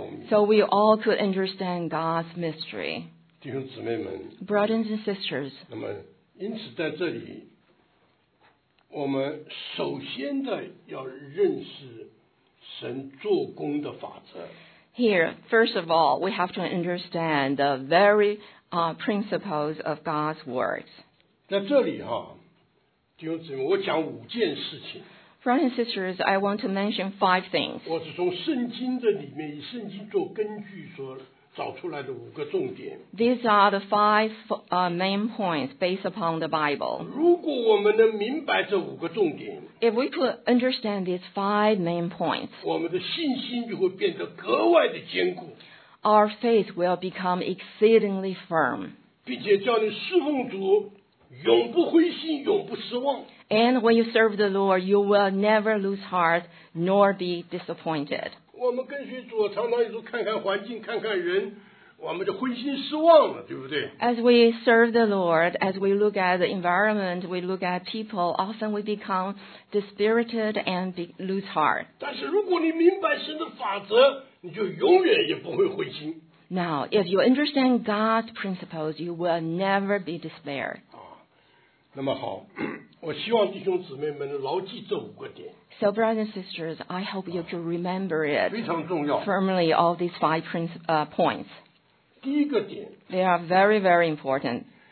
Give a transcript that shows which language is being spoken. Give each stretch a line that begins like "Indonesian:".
English: So we all could understand God's mystery. Brothers and sisters.
Chinese: 那么因此在这里, 我们首先的要认识神做工的法则。
English: Here, first of all, we have to understand the very principles of God's words.
Chinese: 在这里哈, 弟兄姊妹, 我讲五件事情。
English: Brothers and sisters, I want to mention five things.
Chinese: 我是从圣经的里面, 以圣经做根据所找出来的五个重点。
English: These are the five main points based upon the Bible.
Chinese: 如果我们能明白这五个重点,
English: if we could understand these five main points,
Chinese: 我们的信心就会变得格外的坚固。
English: Our faith will become exceedingly firm.
Chinese: 并且叫你侍奉主, 永不灰心, 永不失望。
English: And when you serve the Lord, you will never lose heart nor be disappointed.
Chinese: 我们跟随主常常有时候看看环境看看人, 我们就灰心失望了, 对不对?
English: As we serve the Lord, as we look at the environment, we look at people, often we become dispirited and lose heart.
Chinese: 但是如果你明白神的法则, 你就永远也不会灰心。
English: Now, if you understand God's principles, you will never be despaired.
Chinese: 那么好, 我希望弟兄姊妹们牢记这五个点。
English: So brothers and sisters, I hope you can remember it
Chinese: 非常重要,
English: firmly, all these five points.
Chinese: 第一个点,
English: they are very, very important.